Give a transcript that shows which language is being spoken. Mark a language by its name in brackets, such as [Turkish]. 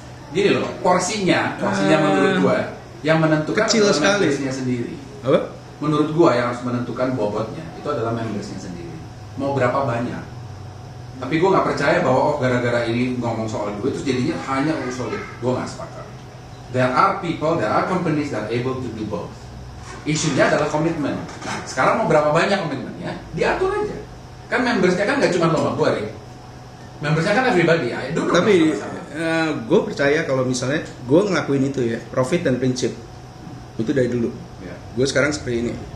[Indonesian] Gini loh, porsinya menurut gua yang menentukan kecil sekali sendiri. Apa? Menurut gua yang harus menentukan bobotnya itu adalah membersnya sendiri. Mau berapa banyak? Tapi gua enggak percaya bahwa oh gara-gara ini ngomong soal duit terus jadinya hanya solid. Gua enggak sepakat. [English] There are people, there are companies that are able to do both. [Indonesian] Isunya adalah komitmen. Nah, sekarang mau berapa banyak komitmennya? Diatur aja. Kan membersnya kan enggak cuma lo sama gua, Rik. Membersnya kan everybody. Ya. Duh, tapi gua percaya kalau misalnya gua ngelakuin itu ya, profit dan prinsip. Itu dari dulu. Gue sekarang seperti ini.